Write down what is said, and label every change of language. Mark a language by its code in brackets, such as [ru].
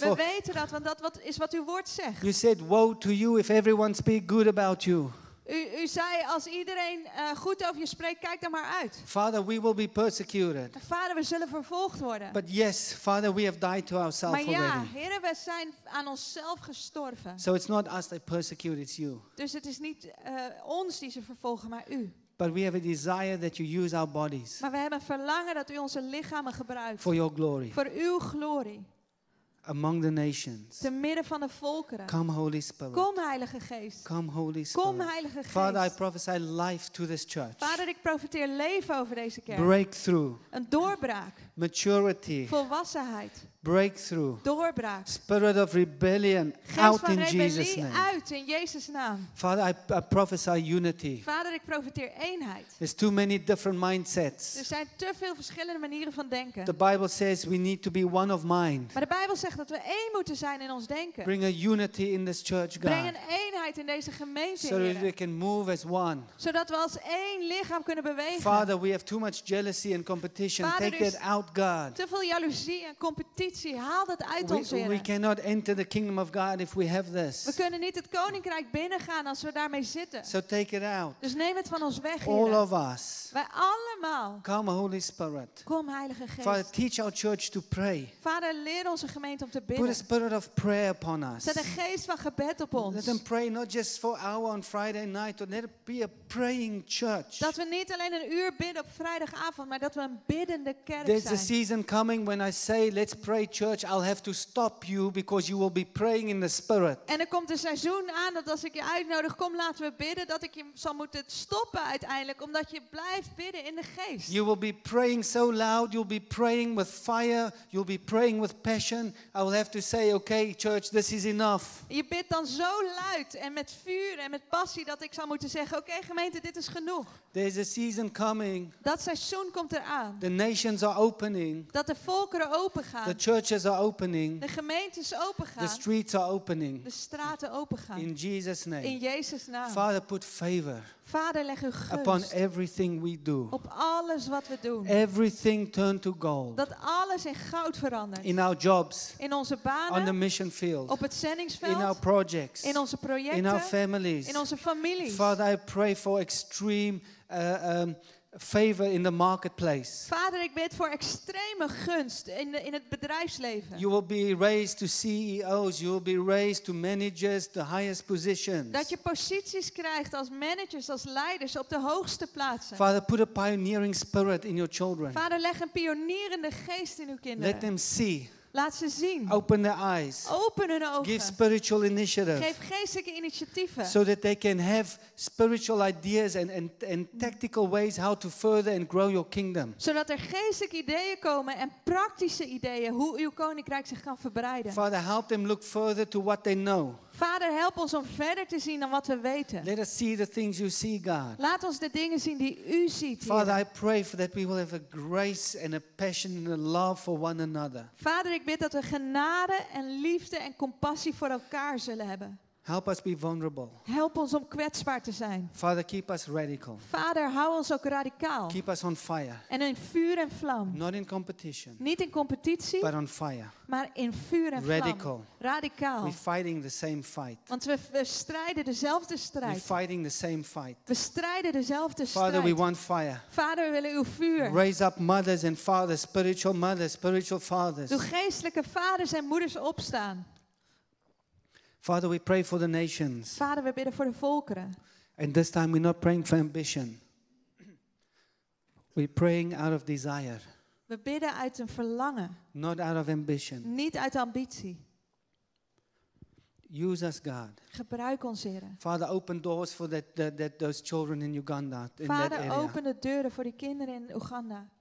[nl] We weten dat, want dat is wat uw woord zegt. [en] You said, woe to you if everyone speak good about you. [nl] U zei, als iedereen goed over je spreekt, kijk dan maar uit. [en] Father, we will be persecuted. [nl] Vader, we zullen vervolgd worden. [en] But yes, Father, we have died to ourselves already. [nl] Maar ja, Heren, we zijn aan onszelf gestorven. [en] So it's not us that persecute, it's you. [nl] Dus het is niet ons die ze vervolgen, maar u. [en] But we have a desire that you use our bodies. [nl] Maar we hebben verlangen dat u onze lichamen gebruikt. [en] For your glory. [nl] Voor uw glorie. [en] Among the nations. [nl] Te midden van de volkeren. [en] Come Holy Spirit. [nl] Kom Heilige Geest. [en] Come Holy Spirit. [nl] Kom Heilige Geest. [en] Father, I prophesy life to this church. [nl] Vader, ik profeteer leven over deze kerk. [en] Breakthrough. [nl] Een doorbraak. [en] Maturity. [nl] Volwassenheid. [en] Breakthrough. [nl] Doorbraak. [en] Spirit of rebellion. [nl] Geest [en] out [nl] van [en] in Jesus name. [nl] Uit in Jezus naam. [en] Father, I prophesy unity. [nl] Vader, ik profeteer eenheid. [en] There's too many different mindsets. [nl] Er zijn te veel verschillende manieren van denken. [en] The Bible says we need to be one of mind. [nl] Maar de Bijbel zegt dat we één moeten zijn in ons denken. [en] Bring a unity in this church, God. [nl] Breng een eenheid in deze gemeente, [en] so that we can move as one. [nl] Zodat we als één lichaam kunnen bewegen. [en] Father, we have too much jealousy and competition. [nl] Vader, [en] take that out, God. [nl] Te veel jaloezie en competitie. Haal dat uit ons, Heren. [en] We cannot enter the kingdom of God if we have this. [nl] We kunnen niet het koninkrijk binnengaan als we daarmee zitten. [en] So take it out. [nl] Dus neem het van ons weg, Heren. [en] All of us. [nl] Wij allemaal. [en] Come Holy Spirit. [nl] Kom Heilige Geest. [en] Father, teach our church to pray. [nl] Vader, leer onze gemeente om te bidden. [en] Put a spirit of prayer upon us. [nl] Zet een geest van gebed op ons. [en] Let them pray not just for hour on Friday night, but let it be a praying church. [nl] Dat we niet alleen een uur bidden op vrijdagavond, maar dat we een biddende kerk [en] There's [nl] zijn. [en] There's a season coming when I say, let's pray. Church, I'll have to stop you because you will be praying in the spirit. [nl] En er komt een seizoen aan dat als ik je uitnodig, kom, laten we bidden, dat ik je zal moeten stoppen uiteindelijk, omdat je blijft bidden in de geest. [en] You will be praying so loud, you'll be praying with fire, you'll be praying with passion. I will have to say, okay, church, this is enough. [nl] Je bidt dan zo luid en met vuur en met passie dat ik zal moeten zeggen, okay, gemeente, dit is genoeg. [en] There's a season coming. [nl] Dat seizoen komt eraan. [en] The nations are opening. [nl] Dat de volkeren open gaan. [en] The churches are opening. [nl] De gemeentes opengaan. [en] The streets are opening. [nl] De straten opengaan. [en] In Jesus name. [nl] In Jezus naam. [en] Father, put favor. [nl] Vader, leg uw gunst. [en] Upon everything we do. [nl] Op alles wat we doen. [en] Everything turn to gold. [nl] Dat alles in goud verandert. [en] In our jobs. [nl] In onze banen. [en] On the mission field. [nl] Op het zendingsveld. [en] In our projects. [nl] In onze projecten. [en] In our families. [nl] In onze families. [en] Father, I pray for extreme favor in the marketplace. [nl] Vader, ik bid voor extreme gunst in het bedrijfsleven. [en] You will be raised to CEOs, you will be raised to managers, the highest positions. [nl] Dat je posities krijgt als managers, als leiders op de hoogste plaatsen. [en] Father, put a pioneering spirit in your children. [nl] Vader, leg een pionierende geest in uw kinderen. [en] Let them see. [nl] Laat ze zien. [en] Open their eyes. [nl] Open hun ogen. [en] Give spiritual initiative. [nl] Geef geestelijke initiatieven. [en] So that they can have spiritual ideas and tactical ways how to further and grow your kingdom. [nl] Zodat er geestelijke ideeën komen en praktische ideeën hoe uw koninkrijk zich kan verbreiden. [en] Father, help them look further to what they know. [nl] Vader, help ons om verder te zien dan wat we weten. [en] Let us see the things you see, God. [nl] Laat ons de dingen zien die u ziet, Heer. [en] Father, I pray for that we will have a grace and a passion and a love for one another. [nl] Vader, ik bid dat we genade en liefde en compassie voor elkaar zullen hebben. [en] Help us be vulnerable. [nl] Help ons om kwetsbaar te zijn. [en] Father, keep us radical. [nl] Vader, hou ons ook radicaal. [en] Keep us on fire. [nl] En in vuur en vlam. [en] Not in competition. [nl] Niet in competitie. [en] But on fire. [nl] Maar in vuur en [en] radical. [nl] Vlam. Radicaal. [en] We're fighting the same fight. [nl] Want we strijden dezelfde strijd. [en] We're fighting the same fight. [nl] We strijden dezelfde strijd. [en] Father, we want fire. [nl] Vader, we willen uw vuur. [en] Raise up mothers and fathers, spiritual mothers, spiritual fathers. [nl] Doe geestelijke vaders en moeders opstaan. [en] Father, we pray for the nations. [nl] Vader, we bidden voor de volkeren. [en] And this time we're not praying for ambition. We're praying out of desire. [nl] We bidden uit een verlangen. [en] Not out of ambition. [nl] Niet uit ambitie. [en] Use us, God. [nl] Gebruik ons, Heere. [en] Father, open doors for that those children in Uganda. In [nl] Vader, [en] that area. [nl] Open de deuren voor die kinderen in Uganda.